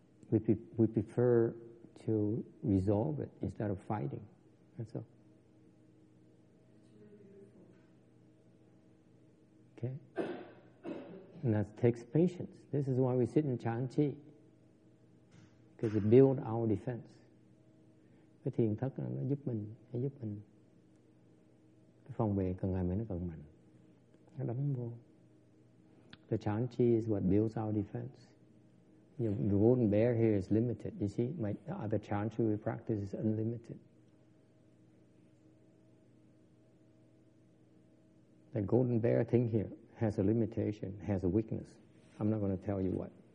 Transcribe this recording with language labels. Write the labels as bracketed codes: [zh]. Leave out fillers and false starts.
[en] We prefer to resolve it instead of fighting. That's all. Okay? And that takes patience. This is why we sit in Chan Chi, because it builds our defense. [vi] Cái thiền thất nó giúp mình. Phòng vệ càng ngày mình nó càng mạnh. Nó đấm vô. [en] The Chan Chi is what builds our defense. The wooden bear here is limited. You see, the other Chan Chi we practice is unlimited. The golden bear thing here has a limitation, has a weakness. I'm not going to tell you what.